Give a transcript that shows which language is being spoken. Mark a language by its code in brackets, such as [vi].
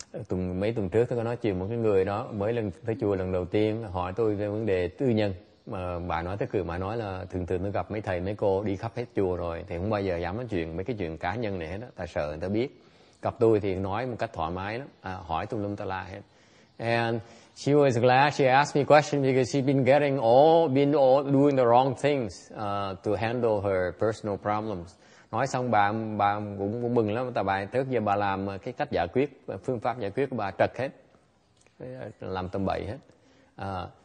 [vi] mấy tuần trước tôi có nói chuyện một cái người đó mới lần tới chùa lần đầu tiên hỏi tôi về vấn đề tư nhân. Bà nói tới cửa, bà nói là thường thường tôi gặp mấy thầy mấy cô đi khắp hết chùa rồi thì không bao giờ dám nói chuyện mấy cái chuyện cá nhân này hết đó, tại sợ người ta biết. Gặp tôi thì nói một cách thoải mái lắm, hỏi tùm lum ta la hết. [en] And she was glad she asked me questions because she'd been getting all doing the wrong things to handle her personal problems. [vi] Nói xong bà cũng mừng lắm, tại bài trước giờ bà làm cái cách giải quyết, phương pháp giải quyết của bà trật hết, làm tầm bậy hết.